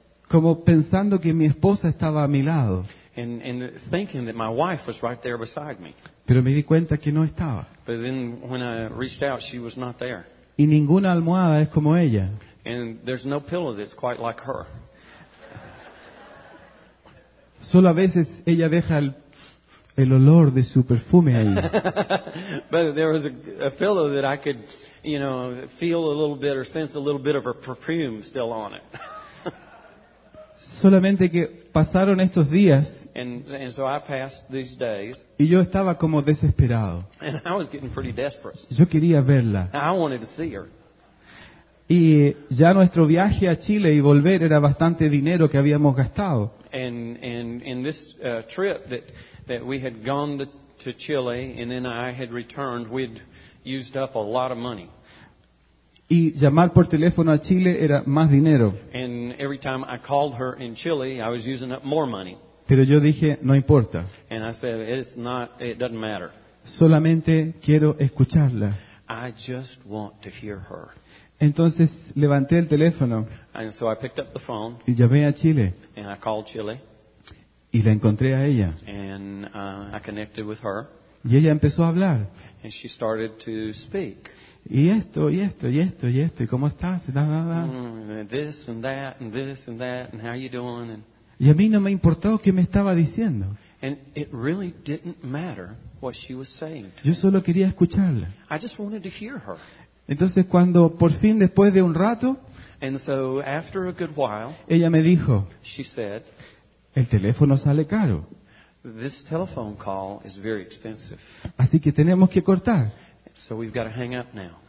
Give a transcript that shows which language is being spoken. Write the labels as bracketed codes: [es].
[es] Como pensando que mi esposa estaba a mi lado. [en] And thinking that my wife was right there beside me. [es] Pero me di cuenta que no estaba. [en] But then when I reached out, she was not there. [es] Y ninguna almohada es como ella. [en] And there's no pillow that's quite like her. [es] Solo a veces ella deja el olor de su perfume ahí. [en] But there was a pillow that I could, you know, feel a little bit or sense a little bit of her perfume still on it. [es] Solamente que pasaron estos días [en] and so I passed these days, [es] y yo estaba como desesperado. [en] And I was getting pretty desperate. [es] Yo quería verla. [en] I wanted to see her. [es] Y ya nuestro viaje a Chile y volver era bastante dinero que habíamos gastado. [en] And in this trip that we had gone to Chile and then I had returned, we'd used up a lot of money. [es] Y llamar por teléfono a Chile era más dinero. [en] And every time I called her in Chile, I was using up more money. [es] Pero yo dije, no importa. [en] And I said, it doesn't matter. [es] Solamente quiero escucharla. [en] I just want to hear her. [es] Entonces levanté el teléfono. [en] And so I picked up the phone. [es] Y llamé a Chile. [en] And I called Chile. [es] Y la encontré a ella. [en] And I connected with her. [es] Y ella empezó a hablar. [en] And she started to speak. [es] Y esto, y esto, y esto, y esto, y cómo estás, y nada, nada. [en] This and that, and this and that, and how you doing. [es] Y a mí no me importó qué me estaba diciendo. [en] And it really didn't matter what she was saying to [es] me. Yo solo quería escucharla. [en] I just wanted to hear her. [es] Entonces cuando por fin después de un rato, [en] and so after a good while, [es] ella me dijo, [en] she said, [es] el teléfono sale caro. [en] This telephone call is very expensive. [es] Así que tenemos que cortar. [en] So we've got to hang up now.